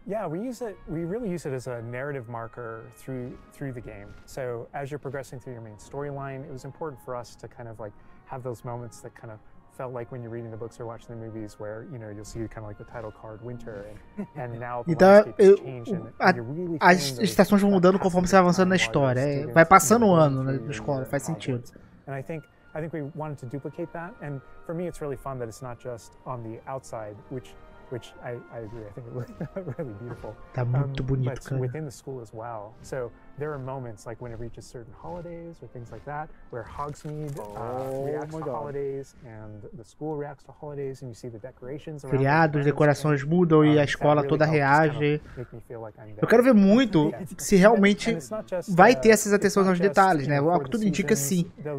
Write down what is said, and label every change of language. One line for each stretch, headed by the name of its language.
English: Yeah, we really use it as a narrative marker through the game. So as you're progressing through your main storyline, it was important for us to kind of like have those moments that kind of felt like when you're reading the books or watching the movies where, you know, you'll see kind of like the title card winter and now the
Portuguese: então, as estações vão mudando conforme você vai avançando na história, vai passando o ano na escola, faz sentido.
English: And I think we wanted to duplicate that, and for me it's really fun that it's not just on the outside, which I agree, I think it looks really beautiful.
Portuguese: Tá muito bonito,
English: but
Portuguese: cara.
English: But within the school as well. So there are moments like when it reaches certain holidays or things like that, where Hogsmeade reacts to holidays and the school reacts to holidays, and you see the decorations around.
Portuguese: Criados, decorações mudam e a escola toda reage. Eu quero ver muito se realmente vai ter essas atenções aos detalhes, né? O que tudo indica, sim.